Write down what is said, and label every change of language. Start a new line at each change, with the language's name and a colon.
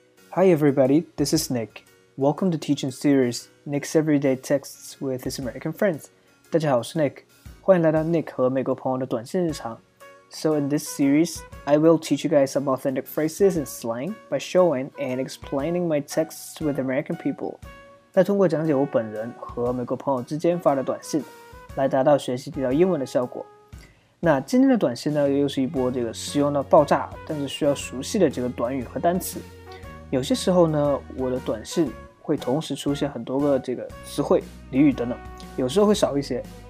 English: Hi everybody, this is Nick. Welcome to teaching series Nick's Everyday Texts with his American friends.
Chinese: 大家好，我是 Nick， 欢迎来到 Nick 和美国朋友的短信日常。
English: So in this series, I will teach you guys some authentic phrases and slang by showing and explaining my texts with American people.
Chinese: 那通过讲解我本人和美国朋友之间发的短信，来达到学习地道英文的效果。那今天的短信呢，又是一波这个实用到爆炸，但是需要熟悉的这个短语和单词。有些时候呢，我的短信会同时出现很多个这个词汇、俚语等等，有时候会少一些。